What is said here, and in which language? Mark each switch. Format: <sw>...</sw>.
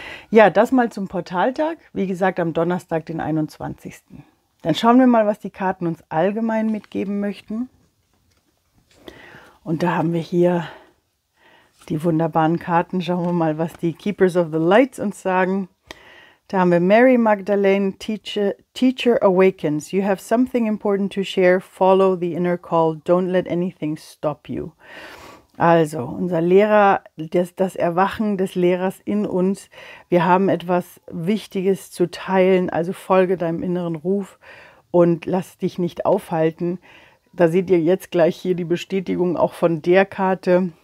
<de>Ja, das mal zum Portaltag. Wie gesagt, am Donnerstag, den 21. Dann schauen wir mal, was die Karten uns allgemein mitgeben möchten. Und da haben wir hier die wunderbaren Karten. Schauen wir mal, was die Keepers of the Lights uns sagen. Da haben wir Mary Magdalene, Teacher Awakens.</de> <en>You have something important to share. Follow the inner call. Don't let anything stop you.</en> <de>Also, unser Lehrer, das Erwachen des Lehrers in uns. Wir haben etwas Wichtiges zu teilen. Also folge deinem inneren Ruf und lass dich nicht aufhalten. Da seht ihr jetzt gleich hier die Bestätigung auch von der Karte.</de>